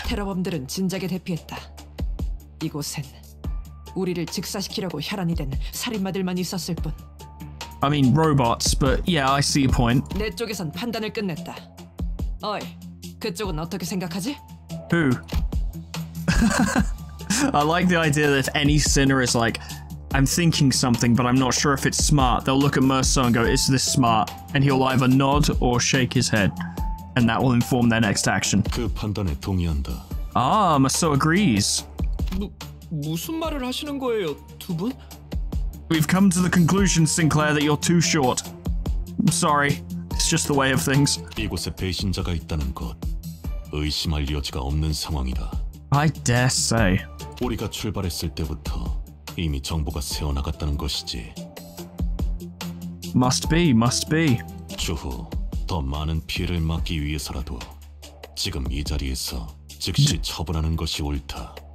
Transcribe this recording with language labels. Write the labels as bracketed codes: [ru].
[ko] 테러범들은 진작에 대피했다. 이곳엔 우리를 즉사시키려고 혈안이 된 살인마들만 있었을 뿐. [en] I mean robots, but yeah, I see your point. [ko] 내 쪽에선 판단을 끝냈다. 어이, 그쪽은 어떻게 생각하지? [en] Who? I like the idea that if any sinner is like, I'm thinking something, but I'm not sure if it's smart. They'll look at Merso and go, is this smart? And he'll either nod or shake his head. And that will inform their next action. [ko] 그 판단에 동의한다. [en] Ah, Merso agrees. [ko] 무슨 말을 하시는 거예요, 두 분? [en] We've come to the conclusion, Sinclair, that you're too short. I'm sorry. It's just the way of things. [ko] 이곳에 배신자가 있다는 것, 의심할 여지가 없는 상황이다. [en] I dare say. [ko] 우리가 출발했을 때부터 이미 정보가 새어나갔다는 것이지. [en] Must be, must be. [ko] 추후 더 많은 피해를 막기 위해서라도 지금 이 자리에서 즉시 처분하는 것이 옳다.